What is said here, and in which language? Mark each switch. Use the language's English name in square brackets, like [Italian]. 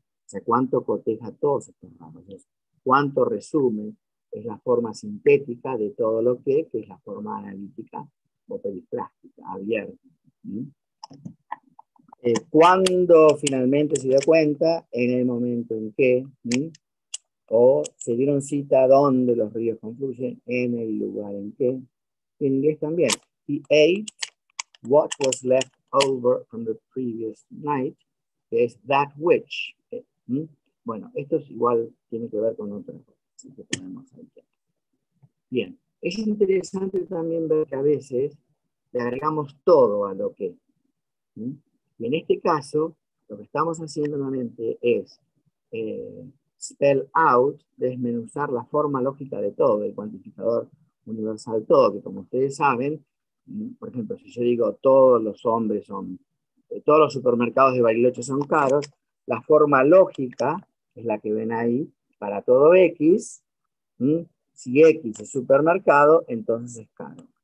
[Spanish] O sea, cuánto coteja todos estos rasgos. Cuánto resume es la forma sintética de todo lo que es la forma analítica o perifrástica, abierta, ¿sí? Cuando finalmente se dio cuenta, en el momento en que, ¿sí? O se dieron cita a dónde los ríos confluyen, en el lugar en que, en inglés también. [English] Y ate what was left over from the previous night, [Spanish] que es [English] that which. [Spanish] ¿Sí? Bueno, esto es igual, tiene que ver con otra cosa que tenemos aquí. Bien, es interesante también ver que a veces le agregamos todo a lo que. ¿Sí? Y en este caso, lo que estamos haciendo nuevamente es spell out, desmenuzar la forma lógica de todo, el cuantificador universal todo, que como ustedes saben, por ejemplo, si yo digo todos los hombres son, todos los supermercados de Bariloche son caros, la forma lógica es la que ven ahí, para todo X, si X es supermercado, entonces es caro.